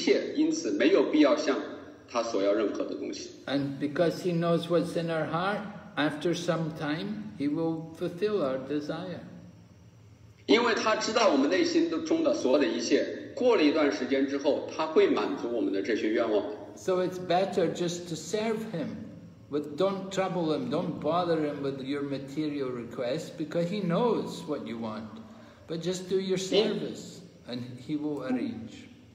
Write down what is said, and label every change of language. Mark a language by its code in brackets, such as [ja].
[zh] 他知道我们内心中的一切，因此没有必要向他索要任何的东西。 [en] And because he knows what's in our heart, after some time, he will fulfill our desire. [zh] 因为他知道我们内心中的所有的一切，过了一段时间之后，他会满足我们的这些愿望。 [en] So it's better just to serve him, but don't trouble him, don't bother him with your material requests, because he knows what you want. But just do your service, and he will arrange.